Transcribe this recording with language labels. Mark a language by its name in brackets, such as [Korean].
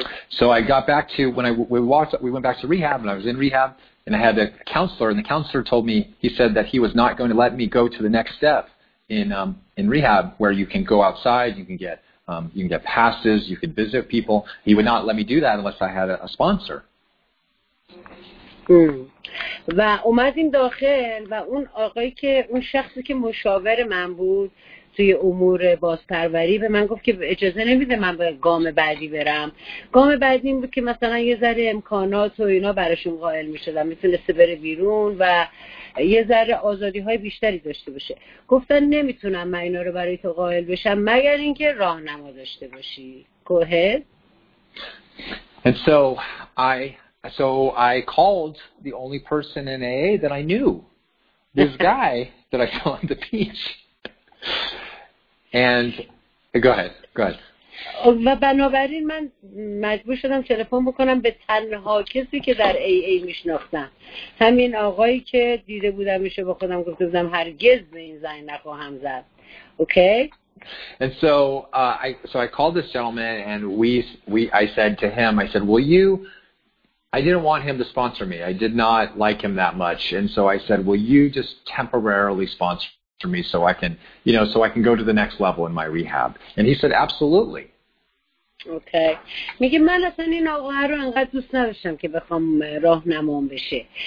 [English] So I got back to we went back to rehab and I was in rehab and I had a counselor and the counselor told me, he said that he was not going to let me go to the next step in rehab where you can go outside, you can get passes, you can visit people. He would not let me do that unless I had a sponsor. [Persian] و اومدیم داخل و اون آقایی که اون شخصی که مشاور من بود توی امور بازپروری به من گفت که اجازه نمیده من به گام بعدی برم. گام بعدی این بود که مثلا یه ذره امکانات و اینا براشون قائل میشدم، میتونسته بره بیرون و یه ذره آزادی های بیشتری داشته باشه. گفتن نمیتونم من اینا رو برای تو قائل بشم مگر اینکه راهنما داشته باشی. [English] Go ahead. And so I called the only person in AA that I knew, this guy that I saw on the beach. And go ahead. [Persian] و بنابراین من مجبور شدم تلفن بکنم به تنها کسی که در AA میشناختم، همین آقایی که دیده بودمش، با خودم گفتم هرگز به این زنگ نخواهم زد. اوکی. [English] And so I called this gentleman and I said to him, I said, will you, I didn't want him to sponsor me. I did not like him that much. And so I said, will you just temporarily sponsor for me so I can, you know, so I can go to the next level in my rehab. And he said, absolutely. Okay. [Persian] میگه من اصلا این آقا رو انقدر دوست نداشتم که بخوام راهنمام بشه.